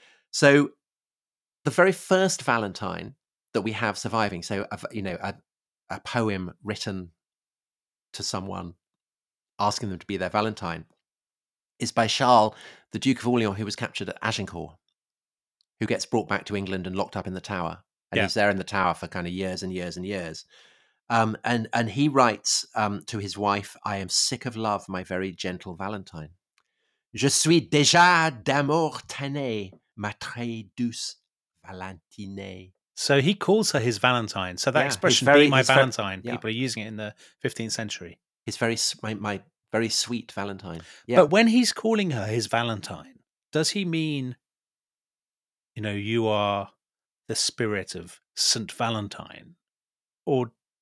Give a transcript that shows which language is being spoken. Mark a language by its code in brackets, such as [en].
[en] So the very first Valentine that we have surviving, so a poem written to someone asking them to be their Valentine, is by Charles, the Duke of Orleans, who was captured at Agincourt, who gets brought back to England and locked up in the Tower. And yeah. he's there in the Tower for kind of years and years and years. And he writes to his wife, I am sick of love, my very gentle Valentine. [fr] Je suis déjà d'amour tanné, ma très douce Valentine. [en] So he calls her his Valentine. So that yeah, expression, very, be my Valentine, very, yeah. people are using it in the 15th century. His very, my very sweet Valentine. Yeah. But when he's calling her his Valentine, does he mean, you know, you are the spirit of Saint Valentine? Or